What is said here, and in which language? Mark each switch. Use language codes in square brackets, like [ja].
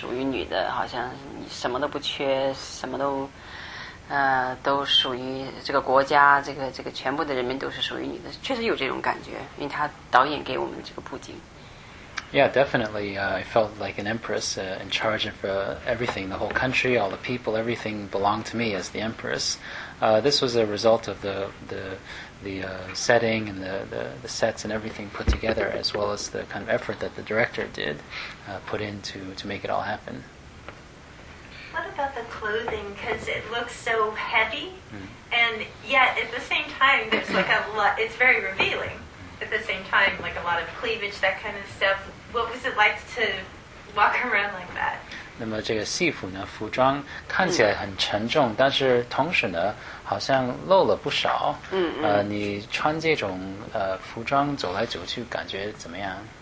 [zh] 那么虽然是虚构的电影，你在场面演这种戏，自己会感觉到是皇后吗？确实真正感觉到是一个很有很高地位的这么一个女皇，很华丽，还那所有的一切都是好像属于女的，好像你什么都不缺，什么都。都属于这个国家，这个全部的人民都是属于你的，确实有这种感觉，因为他导演给我们这个布景。 [en] Yeah, definitely. I felt like an empress in charge of everything, the whole country, all the people, everything belonged to me as the empress. This was a result of the setting and the sets and everything put together, as well as the kind of effort that the director did put in to make it all happen. What about the clothing? Because it looks so heavy, and yet at the same time, there's like a lot. It's very revealing. At the same time, like a lot of cleavage, that kind of stuff. What was it like to walk around like that? [zh] 那么这个戏服呢，服装看起来很沉重，但是同时呢，好像露了不少。你穿这种服装走来走去，感觉怎么样？